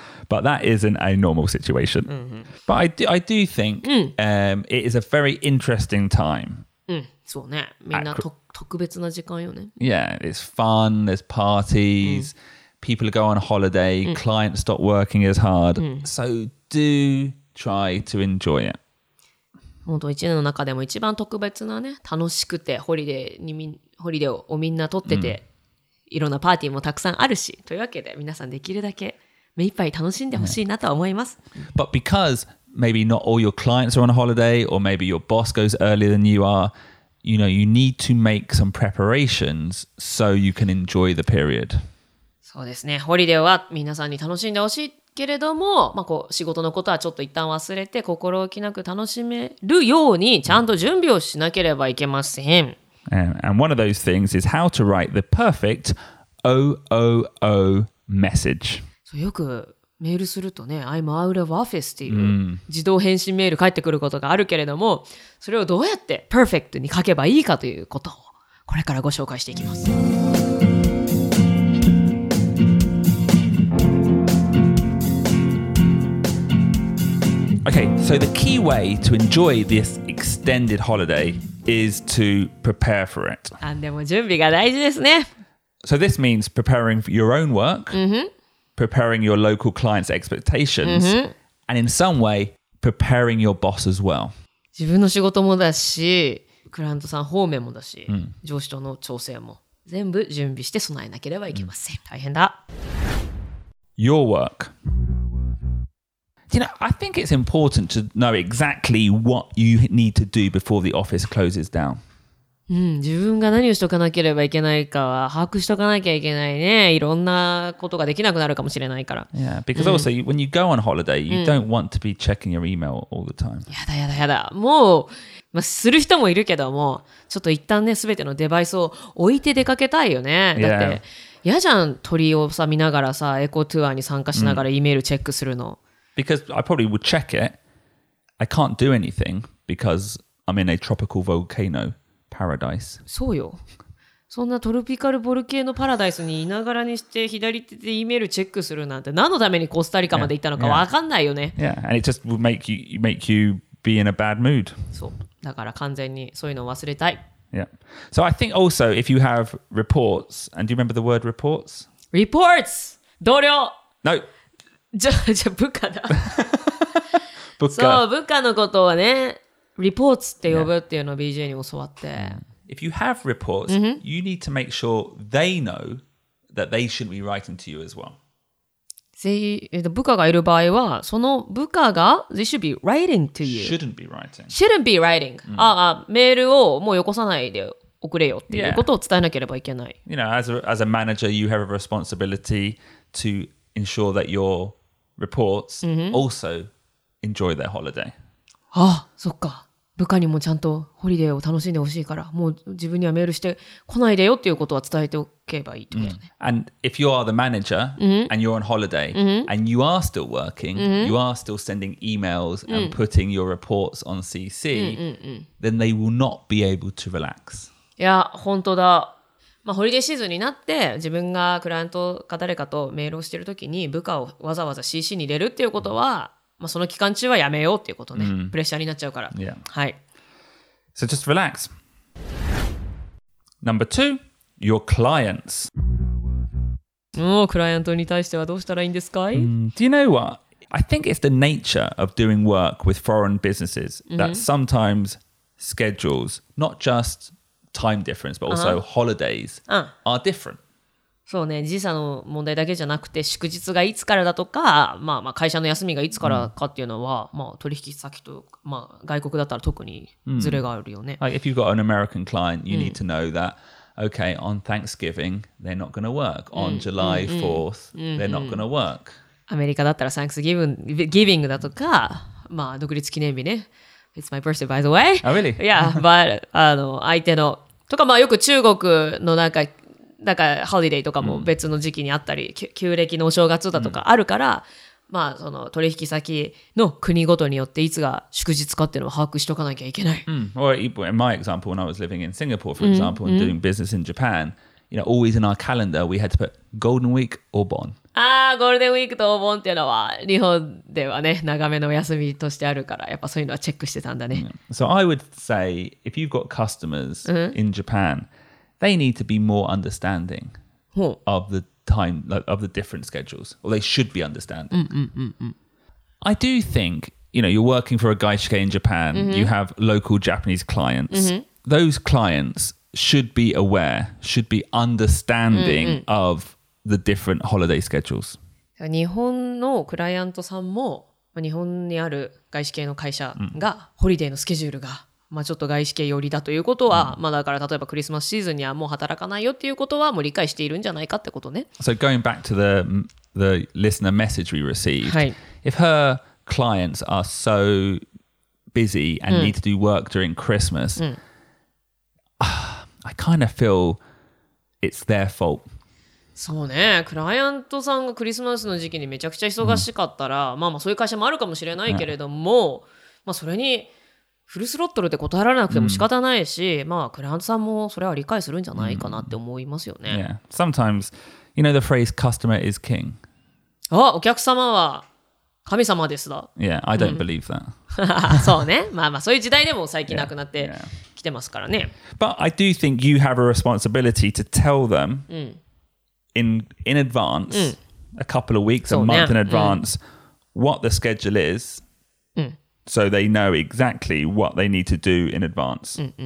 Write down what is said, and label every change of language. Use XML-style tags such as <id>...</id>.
<en>But that isn't a normal situation. But I do think it is a very interesting time. Yeah, it's fun, there's parties, people go on holiday, clients stop working as hard. So do try to enjoy it.</en> <ja>本当1年の中でも一番特別なね、楽しくてホリデーにみ、ホリデーをみんな取ってて、いろんなパーティーもたくさんあるし、というわけで皆さんできるだけ目いっぱい楽しんでほしいなとは思います。</ja> <en>But because maybe not all your clients are on a holiday, or maybe your boss goes earlier than you are, you know, you need to make some preparations so you can enjoy the period.</en> <ja>そうですね。ホリデーは皆さんに楽しんでほしい。けれども、まあ、こう仕事のことはちょっと一旦忘れて心置きなく楽しめるようにちゃんと準備をしなければいけません。</ja> <en>And one of those things is how to write the perfect OOO message.</en> <ja>そう、よくメールするとね、</ja> <en>I'm out of office</en> <ja>っていう自動返信メール返ってくることがあるけれども、それをどうやって perfect に書けばいいかということをこれからご紹介していきます。</ja> <en>Okay, so the key way to enjoy this extended holiday is to prepare for it. And</en> <ja>でも準備が大事ですね。</ja> <en>So this means preparing your own work, preparing your local clients' expectations, and in some way, preparing your boss as well.</en> <ja>自分の仕事もだし、クライアントさん方面もだし、上司との調整も全部準備して備えなければいけません。大変だ。</ja> <en>Your work. You know, I think it's important to know exactly what you need to do before the office closes down. 自分が何をしとかなければいけないかは把握しとかなきゃいけないね。いろんなことができなくなるかもしれないから。 Yeah, because also, when you go on holiday, you don't want to be checking your email all the time.</en> <ja>やだやだやだ。もう、まあ、する人もいるけども、ちょっと一旦ね、すべてのデバイスを置いて出かけたいよね。だって、やじゃん、鳥をさ、見ながらさ、エコツアーに参加しながら、E メールチェックするの。</ja> <en>Because I probably would check it. I can't do anything because I'm in a tropical volcano paradise.</en> <ja>そうよ。そんなトロピカルボルケーノパラダイスにいながらにして左手で E メールチェックするなんて何のためにコスタリカまで行ったのかわかんないよね。</ja> <en>Yeah, and it just would make you be in a bad mood.</en> <ja>そう。だから完全にそういうのを忘れたい。</ja> <en>Yeah. So I think also if you have reports, and do you remember the word reports?</en> <ja>Reports! 同僚!</ja> <en>No!</en> <ja>じゃあ部下だ部下。そう、部下のことはね、リポーツって呼ぶっていうのを BJ に教わって。</ja> <en>If you have reports, you need to make sure they know that they shouldn't be writing to you as well.</en> <ja>部下がいる場合は、その部下が、</ja> <en>they should be writing to you. Shouldn't be writing. Shouldn't be writing.、</en> <ja>メールをもうよこさないで送れよっていうことを伝えなければいけない。</ja> <en>You know, as a manager, you have a responsibility toensure that your reports also enjoy their holiday.</en> <ja>ああ、そっか。部下にもちゃんとホリデーを楽しんでほしいから、もう自分にはメールして来ないでよっていうことは伝えておけばいいってことね。</ja> <en>And if you are the manager and you're on holiday and you are still working, you are still sending emails and putting your reports on CC, then they will not be able to relax.</en> <ja>いや、本当だ。まあ、ホリデーシーズンになって自分がクライアントか誰かとメールをしているときに部下をわざわざ CC に入れるっていうことは、まあ、その期間中はやめようっていうことね、プレッシャーになっちゃうから、はい。</ja> <en>So just relax. Number two, your clients.</en> <ja>もうクライアントに対してはどうしたらいいんですかい、</ja> <en>Do you know what? I think it's the nature of doing work with foreign businesses that sometimes schedules, not just time difference, but also holidays are different.</en> <ja>そうね、時差の問題だけじゃなくて祝日がいつからだとか、まあ、まあ会社の休みがいつからかっていうのは、うん、まあ、取引先と、まあ、外国だったら特にズレがあるよね、う</ja> <en>ん、Like、if you've got an American client, you need to know that、うん、okay, on Thanksgiving, they're not going to work. On、うん、July 4th,、うん、they're not going to work.</en> <ja>アメリカだったら Thanksgiving だとか、まあ、独立記念日ね。</ja> <en>It's my birthday, by the way. Oh, really? Yeah, but</en> <ja>あの相手のとか、まあ、よく中国のなんかなんかホリデーとかも別の時期にあったり、うん、旧暦のお正月だとかあるから、うん、まあその取引先の国ごとによっていつが祝日かっていうのを把握しとかなきゃいけない。うん。</ja> <en>Well, in my example, when I was living in Singapore, for example,、うん、and doing business in Japan, you know, always in our calendar, we had to put Golden Week or Bon.</en> <ja>ああ、ゴールデンウィークとお盆っていうのは日本ではね、長めのお休みとしてあるから、やっぱそういうのはチェックしてたんだね。うん、</ja> <en>so I would say, if you've got customers in Japan,、うんThey need to be more understanding of the time, like, of the different schedules. Or they should be understanding. I do think, you know, you're working for a gaishike in Japan. Mm-hmm. You have local Japanese clients. Mm-hmm. Those clients should be aware, should be understanding of the different holiday schedules.</en> <ja>日本のクライアントさんも、日本にある gaishike の会社が、ホリデーのスケジュールが、まあ、ちょっと外資系寄りだということは、うん、まあ、だから例えばクリスマスシーズンにはもう働かないよっていうことはもう理解しているんじゃないかってことね。</ja> <en>So going back to the listener message we received,、はい、if her clients are so busy and、うん、need to do work during Christmas,、うん、I kind of feel it's their fault.</en> <ja>そうね、クライアントさんがクリスマスの時期にめちゃくちゃ忙しかったら、うん、まあまあそういう会社もあるかもしれないけれども、うん、まあそれにフルスロットルで断られなくても仕方ないし、mm. まあクライアントさんもそれは理解するんじゃないかなって思いますよね。</ja> <en>Yeah. Sometimes, you know the phrase customer is king.</en> <ja>あ、お客様は神様ですだ。</ja> <en>Yeah, I don't believe that.</en> <ja>そうね。まあまあそういう時代でも最近なくなってきてますからね。</ja> <en>Yeah. Yeah. But I do think you have a responsibility to tell them in advance, a couple of weeks, a month in advance, what the schedule is. So they know exactly what they need to do in advance.</en>